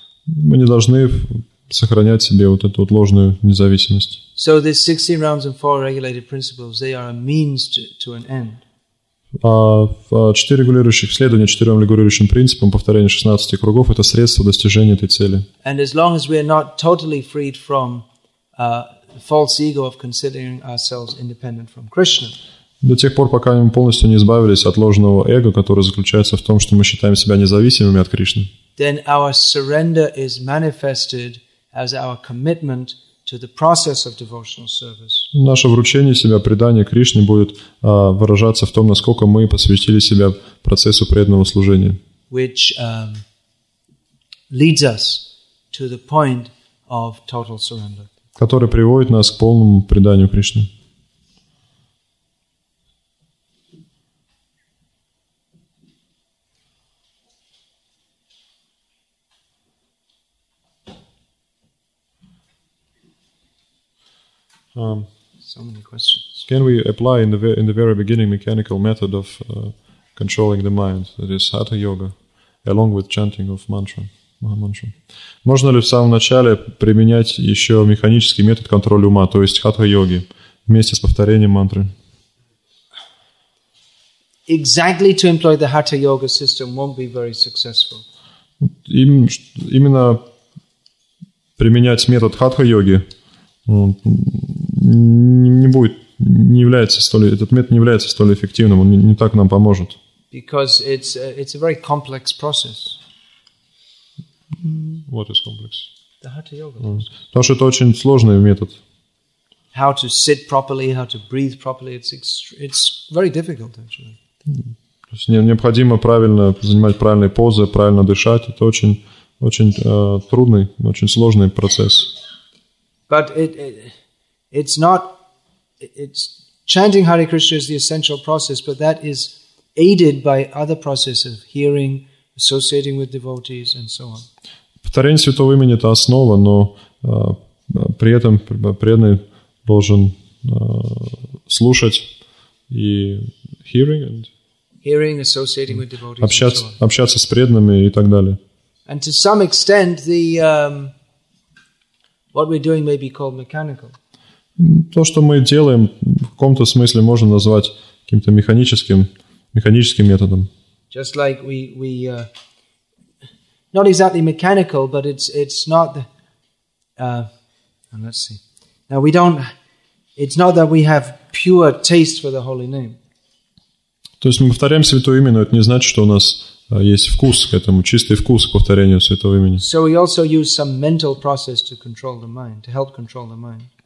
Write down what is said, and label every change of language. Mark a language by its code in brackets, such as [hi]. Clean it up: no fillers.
[ru] Мы не должны сохранять себе вот эту вот ложную независимость. [en] So these 16 realms and four regulated principles, they are a means to an end. [ru] Четыре регулирующих следования четырем регулирующим принципам, повторение 16 кругов, это средство достижения этой цели. [en] And as long as we are not totally freed from false ego of considering ourselves independent from Krishna. [ru] До тех пор, пока мы полностью не избавились от ложного эго, которое заключается в том, что мы считаем себя независимыми от Кришны. [en] Then our surrender is manifested as our commitment to the process of devotional service. [ru] Наше вручение себя, предание Кришне будет выражаться в том, насколько мы посвятили себя процессу преданного служения. [en] Which leads us to the point of total surrender. [ru] Который приводит нас к полному преданию Кришне. [en] Um, So many questions. Can we apply in the very beginning mechanical method of controlling the mind, that is Hatha Yoga, along with chanting of mantra, Maha Mantra? [ru] Можно ли в самом начале применять еще механический метод контроля ума, то есть Хатха Йоги, вместе с повторением мантры? [en] Exactly to employ the Hatha Yoga system won't be very successful. [ru] Именно применять метод Хатха Йоги не будет, не является столь, этот метод не является столь эффективным, он не так нам поможет. [en] Because it's a very complex process. What is complex? The Hatha Yoga. [ru] Потому что это очень сложный метод. [en] How to sit properly, how to breathe properly, it's very difficult actually. [ru] То есть необходимо правильно занимать правильные позы, правильно дышать. Это очень, очень трудный, очень сложный процесс. [en] But it's chanting Hare Krishna is the essential process, but that is aided by other processes of hearing, associating with devotees, and so on. [ru] Повторение святого имени — это основа, но при этом преданный должен слушать и [en] hearing and hearing, associating with devotees, [ru] общаться, общаться с преданными и так далее. [en] And to some extent, the what we're doing may be called mechanical. [ru] То, что мы делаем, в каком-то смысле можно назвать каким-то механическим методом. [en] Just like we not exactly mechanical, but it's not the, and let's see. Now we don't. It's not that we have pure taste for the holy name. [ru] То есть мы повторяем святое имя, но это не значит, что у нас есть вкус к этому, чистый вкус к повторению святого имени. [en] So we also use some mental process to control the mind, to help control the mind.